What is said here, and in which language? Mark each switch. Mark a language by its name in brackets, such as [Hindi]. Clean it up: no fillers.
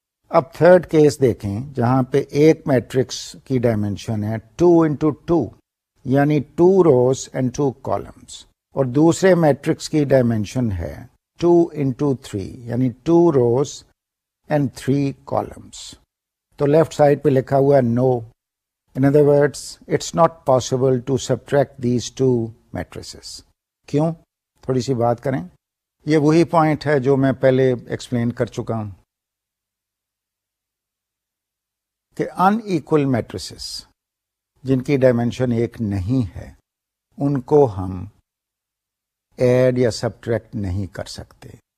[Urdu] اب third case دیکھیں جہاں پہ ایک میٹرکس کی ڈائمینشن ہے 2x2، یعنی 2 rows اینڈ 2 columns، اور دوسرے میٹرکس کی ڈائمینشن ہے 2x3، یعنی 2 rows اینڈ 3 columns. تو لیفٹ سائڈ پہ لکھا ہوا ہے نو. [English] In other words, it's not possible to subtract these two matrices. [Urdu] کیوں؟ تھوڑی سی بات کریں. یہ وہی پوائنٹ ہے جو میں پہلے ایکسپلین کر چکا ہوں کہ ان ایکول میٹریسز جن کی ڈائمینشن ایک نہیں ہے ان کو ہم ایڈ یا سبٹریکٹ نہیں کر سکتے.